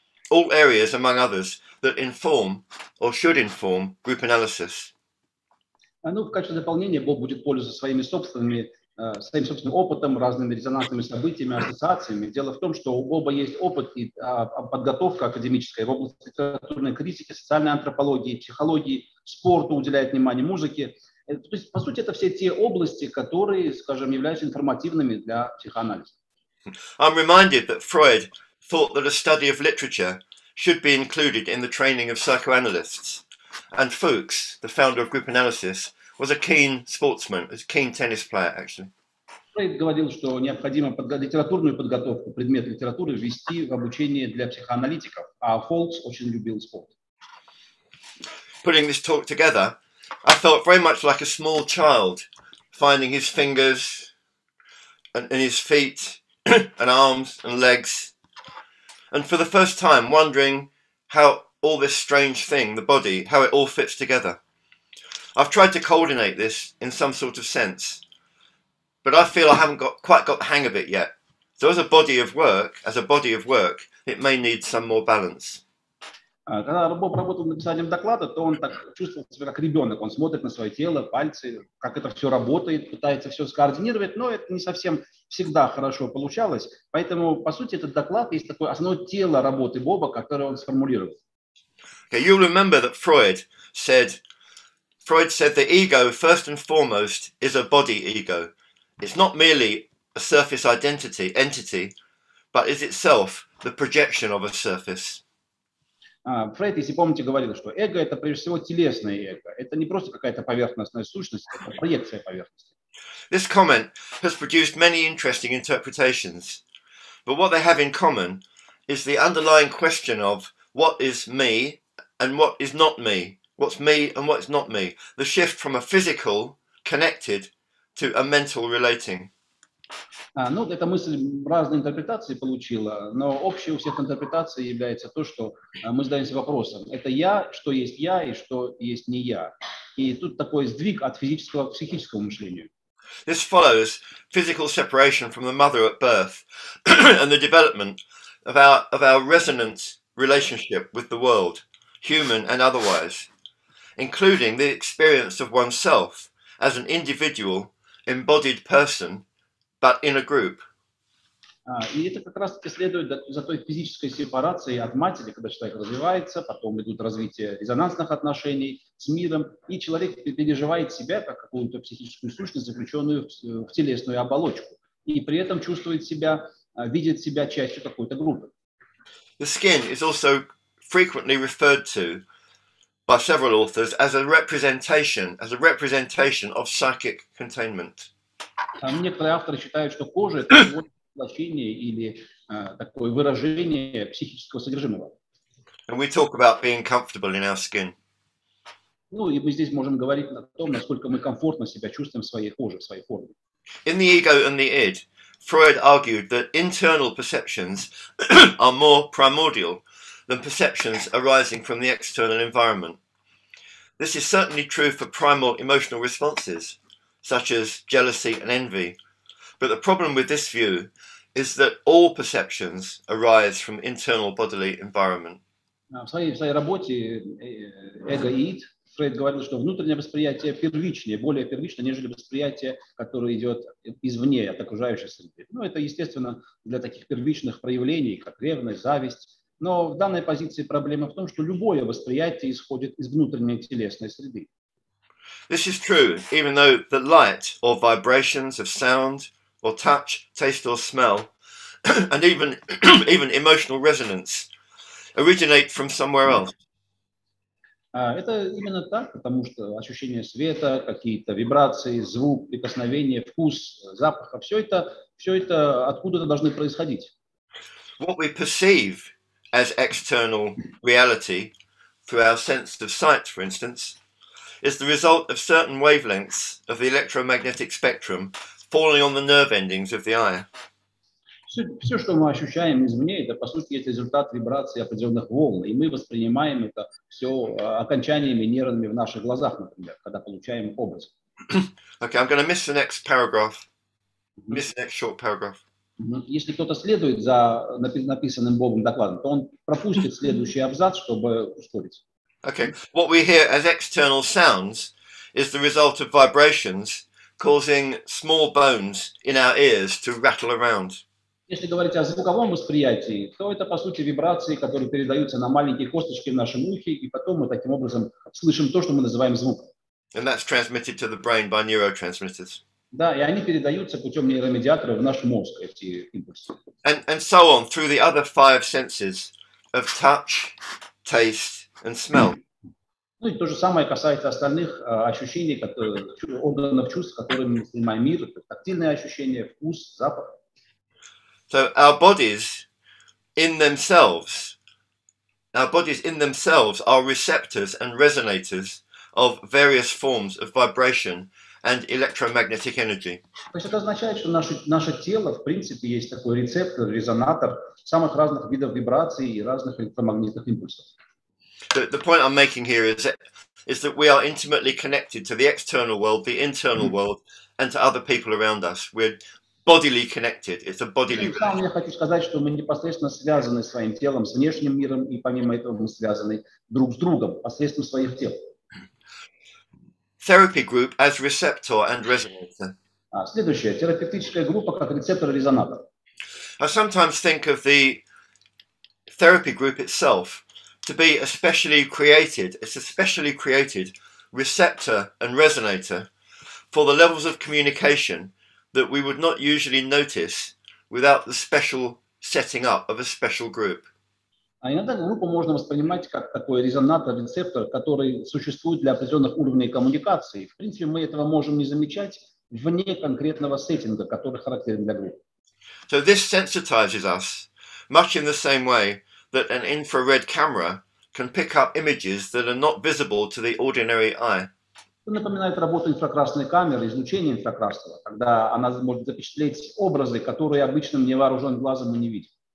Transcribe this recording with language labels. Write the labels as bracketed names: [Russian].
[English] All areas, among others, that inform or should inform group analysis. [Russian] Ну, в качестве дополнения Боб будет пользоваться своим собственным опытом, разными резонансными событиями, ассоциациями. Дело в том, что у Боба есть опыт и подготовка академическая в области литературной критики, социальной антропологии, психологии, спорту уделяет внимание, музыке. То есть, по сути, это все те области, которые, скажем, являются информативными для психоанализа. [English] I'm reminded that Freud thought that a study of literature should be included in the training of psychoanalysts. And Fuchs, the founder of group analysis, was a keen sportsman, a keen tennis player, actually. [Russian] Фрейд говорил, что необходимо литературную подготовку, предмет литературы, ввести в обучение для психоаналитиков, а Фолкс очень любил спорт. [English] Putting this talk together, I felt very much like a small child, finding his fingers and his feet and arms and legs, and for the first time wondering how all this strange thing, the body, how it all fits together. I've tried to coordinate this in some sort of sense, but I feel I haven't quite got the hang of it yet. So as a body of work, it may need some more balance. [Russian] Когда Боб работал над написанием доклада, то он так чувствовал себя как ребенок. Он смотрит на свое тело, пальцы, как это все работает, пытается все скоординировать, но это не совсем всегда хорошо получалось. Поэтому, по сути, этот доклад есть такое основное тело работы Боба, которое он сформулировал. [English] Okay, you'll remember that Freud said Freud said the ego, first and foremost, is a body ego. It's not merely a surface identity, entity, but is itself the projection of a surface. [Russian] Фрейд, если помните, говорил, что эго – это, прежде всего, телесное эго. Это не просто какая-то поверхностная сущность, это проекция поверхности. [English] This comment has produced many interesting interpretations. But what they have in common is the underlying question of what is me and what is not me. What's me and what's not me. The shift from a physical connected to a mental relating. [Russian] Ну, эта мысль разные интерпретации получила, но общей у всех интерпретаций является то, что мы задаемся вопросом, это я, что есть я и что есть не я. И тут такой сдвиг от физического к психическому мышлению. [English] This follows physical separation from the mother at birth and the development of our resonant relationship with the world, human and otherwise, including the experience of oneself as an individual, embodied person, but in a group. [Russian] И это как раз таки следует за той физической сепарацией от матери, когда человек развивается, потом идут развитие резонансных отношений с миром, и человек переживает себя как какую-то психическую сущность, заключенную в телесную оболочку, и при этом чувствует себя, видит себя частью какой-то группы. [English] The skin is also frequently referred to by several authors as a representation of psychic containment. [Russian] Некоторые авторы считают, что кожа – это воплощение или такое выражение психического содержимого. [English] And we talk about being comfortable in our skin. [Russian] Ну, и мы здесь можем говорить о том, насколько мы комфортно себя чувствуем в своей коже, в своей форме. [English] In the ego and the id, Freud argued that internal perceptions are more primordial than perceptions arising from the external environment. This is certainly true for primal emotional responses, such as jealousy and envy. But the problem with this view is that all perceptions arise from internal bodily environment. [Russian] В своей работе «Эго и ид» Фрейд говорил, что внутреннее восприятие первичнее, более первичное, нежели восприятие, которое идет извне, от окружающей среды. Ну, это, естественно, для таких первичных проявлений, как ревность, зависть. Но в данной позиции проблема в том, что любое восприятие исходит из внутренней телесной среды. [English] This is true, even though the light or vibrations of sound or touch, taste or smell, and even emotional resonance originate from somewhere else. [Russian] Это именно так, потому что ощущение света, какие-то вибрации, звук, прикосновение, вкус, запах, все это откуда-то должны происходить. [English] What we perceive as external reality through our sense of sight, for instance, is the result of certain wavelengths of the electromagnetic spectrum falling on the nerve endings of the eye. [Russian] Все, что мы ощущаем извне, это, по сути, это результат вибрации определенных волн, и мы воспринимаем это все окончаниями нервными в наших глазах, например, когда получаем образ. [English] Okay, I'm going to miss the next paragraph. Miss the next short paragraph. [Russian] Если кто-то следует за написанным Бобом докладом, то он пропустит следующий абзац, чтобы ускорить. [English] Okay. What we hear as external sounds is the result of vibrations causing small bones in our ears to rattle around. [Russian] Если говорить о звуковом восприятии, то это, по сути, вибрации, которые передаются на маленькие косточки в нашем ухе, и потом мы таким образом слышим то, что мы называем звуком. [English] And that's transmitted to the brain by neurotransmitters. [Russian] Да, и они передаются путем нейромедиатора в наш мозг, эти импульсы. [English] And so on, through the other five senses of touch, taste, and smell. [Russian] Ну и то же самое касается остальных ощущений, органов чувств, которыми мы воспринимаем мир. Тактильные ощущения, вкус, запах. [English] So our bodies in themselves are receptors and resonators of various forms of vibration and electromagnetic energy. [Russian] То есть это означает, что наше тело, в принципе, есть такой рецептор, резонатор самых разных видов вибраций и разных электромагнитных импульсов. [English] The point I'm making here is that we are intimately connected to the external world, the internal world, and to other people around us. We're bodily connected. It's a bodily relationship. [Russian] Я хочу сказать, что мы непосредственно связаны своим телом с внешним миром, и помимо этого мы связаны друг с другом посредством своих тел. [English] Therapy group as receptor and resonator. [Russian] Следующая терапевтическая группа как рецептор и резонатор. [English] I sometimes think of the therapy group itself to be especially created. It's especially created receptor and resonator for the levels of communication that we would not usually notice without the special setting up of a special group. [Russian] А иногда группу можно воспринимать как такой резонатор, рецептор, который существует для определенных уровней коммуникации. В принципе, мы этого можем не замечать вне конкретного сеттинга, который характерен для группы. [English] So this sensitizes us much in the same way that an infrared camera can pick up images that are not visible to the ordinary eye. [Russian] Это напоминает работу инфракрасной камеры, излучение инфракрасного, когда она может запечатлеть образы, которые обычным невооруженным глазом мы не видим.